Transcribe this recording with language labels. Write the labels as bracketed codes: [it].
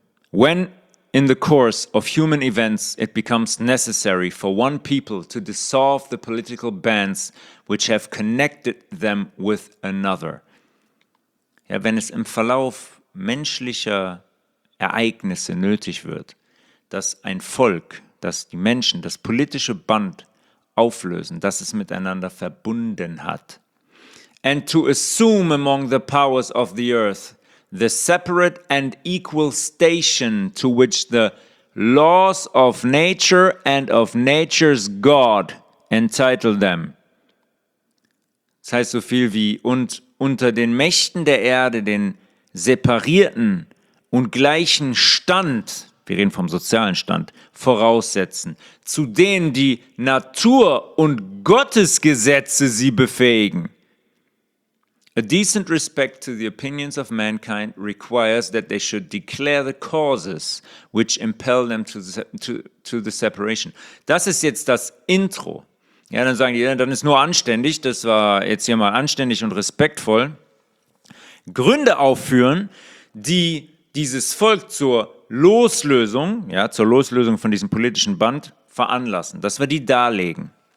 [en] When in the course of human events it becomes necessary for one people to dissolve the political bands which have connected them with another. [de] Ja, wenn es im Verlauf menschlicher Ereignisse nötig wird, dass ein Volk, dass die Menschen das politische Band auflösen, dass es miteinander verbunden hat. [en] And to assume among the powers of the earth the separate and equal station to which the laws of nature and of nature's God entitle them. [de] Das heißt so viel wie, und unter den Mächten der Erde den separierten und gleichen Stand, wir reden vom sozialen Stand, voraussetzen, zu denen die Natur und Gottes Gesetze sie befähigen. [en] A decent respect to the opinions of mankind requires that they should declare the causes which impel them to the separation. [de] Das ist jetzt das Intro. Ja, dann sagen die, dann ist nur anständig, das war jetzt hier mal anständig und respektvoll. Gründe aufführen, die dieses Volk zur Loslösung von diesem politischen Band veranlassen, dass wir die darlegen.